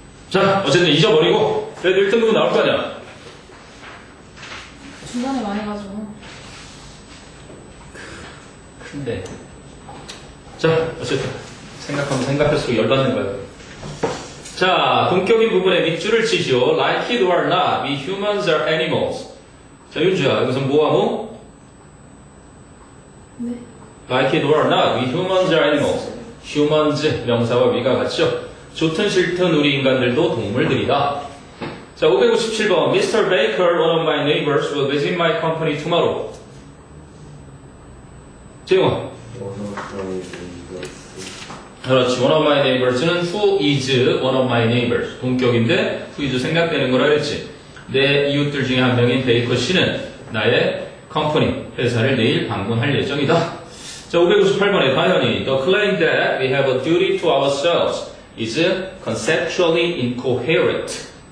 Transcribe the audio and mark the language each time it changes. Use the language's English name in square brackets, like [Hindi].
[Korean] 자, 어쨌든 잊어버리고 그래도 1등급은 나올 거 아니야. 중간에 많이 가지고 근데 자 어쨌든 생각하면 생각할수록 열받는 거예요. 자 본격인 부분에 밑줄을 치죠. [English] Like it or not, we humans are animals. [Korean] 자 윤주야 여기서 뭐하고? 네. [English] Like it or not, we humans are animals. [Korean] Humans 명사와 we가 같죠. 좋든 싫든 우리 인간들도 동물들이다. 자, 557번. [English] Mr. Baker, one of my neighbors, will visit my company tomorrow. [Korean] 제이원. [English] One of my neighbors는 who is one of my neighbors. [Korean] 동격인데, who is 생각되는 거라 그랬지. 내 이웃들 중에 한 명인 베이커 씨는 나의 company, 회사를 내일 방문할 예정이다. 자, 598번에 과연이 [English] The claim that we have a duty to ourselves is conceptually incoherent.